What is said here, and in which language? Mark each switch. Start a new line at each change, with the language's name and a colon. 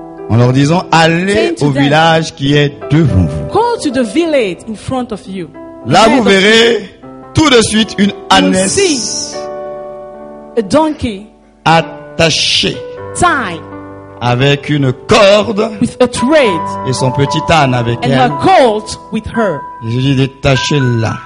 French: En leur disant, allez au village qui est devant vous.
English: Go to the village in front of you.
French: Là, vous verrez tout de suite une ânesse,
English: a donkey,
French: attachée,
English: tied,
French: avec une corde,
English: with a thread,
French: et son petit âne avec
English: and
French: elle,
English: her colt with her.
French: Je lui ai détaché là,